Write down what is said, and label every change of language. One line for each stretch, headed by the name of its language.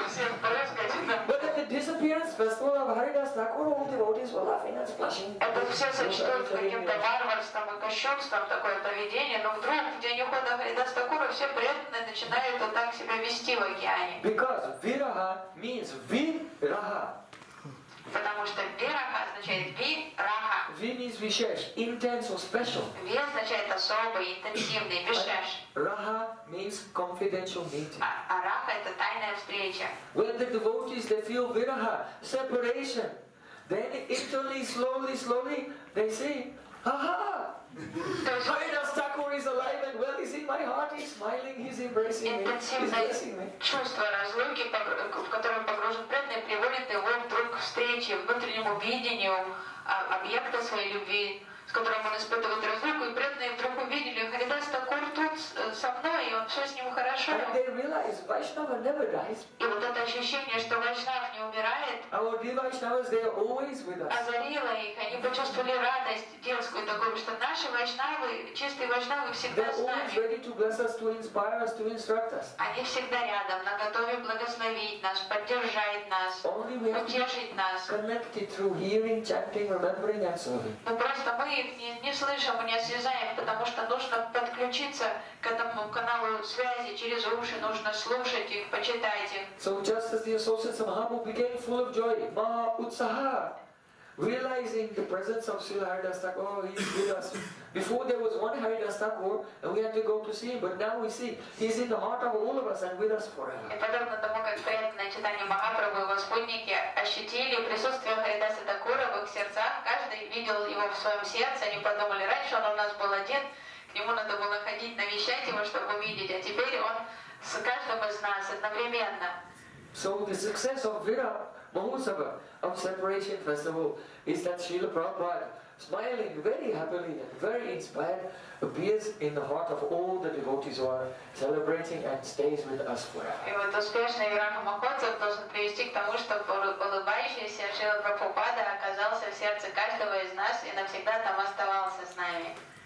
English: But at the disappearance festival of Haridas Thakur, all the devotees were laughing and splashing.
Russian: Это все сочтут каким-то варварством и кощунством такое поведение, но вдруг в день ухода Харидас Такура все преданные начинают вот так себя вести в океане.
English: Because viraha means viraha.
Russian: Потому что вираха означает вираха.
English: Ви means вишеш, intense or special.
Russian: Ви означает особый, интенсивный, вишеш.
English: Раха means confidential meeting.
Russian: А раха это тайная встреча.
English: When the devotees they feel вираха, separation, then internally, slowly, slowly, they say, ха-ха! Харидас Такур is alive and well, he's in my heart, he's smiling, he's embracing me, he's blessing me.
Russian: Чувство разлуки, в котором погружен преданный, приводит его вдруг к встрече, внутреннему видению объекта своей любви, с которым он испытывает разлуку, и преданные вдруг увидели, Харидас Такур тут со мной, и он все с ним хорошо.
English: And they realize, Vaishnava never dies.
Russian: И вот это ощущение, что Вайшнав не умирает,
English: our dear Vaishnavas, they are always with us.
Russian: Озарило их, они почувствовали радость детскую такую, что наши Вайшнавы, чистые Вайшнавы всегда
English: they're
Russian: с нами.
English: Always ready to bless us, to inspire us, to instruct us.
Russian: Они всегда рядом, наготове благословить нас, поддержать нас,
English: only we have
Russian: утешить нас.
English: Connected through hearing, chanting, remembering and serving.
Russian: Но просто мы их не слышим, не связаем, потому что нужно подключиться к этому каналу связи через уши, нужно слушать их, почитать их.
English: So just as the associates of Mahabhu became full of joy, Maha Utsaha, realizing the presence of Srila Haridas Thakur, oh, he's with us. Before there was one Haridas Thakur, and we had to go to see him, but now we see he's in the heart of all of us and with us forever.
Russian: И подобно тому, как преданные читания Махапрабху и Господники ощутили присутствие Харидаса Такура в их сердцах, каждый видел его в своем сердце, они подумали, раньше он у нас был один, к нему надо было ходить, навещать его, чтобы увидеть, а теперь он с каждым из нас одновременно.
English: So the success of Vira Mahotsava, of Separation Festival, is that Srila Prabhupada, smiling very happily and very inspired, appears in the heart of all the devotees who are celebrating and stays with us forever.
Russian: И вот успешный Вираха Махотсав должен привести к тому, что улыбающийся Шрила Прабхупада оказался в сердце каждого из нас и навсегда там оставался с нами.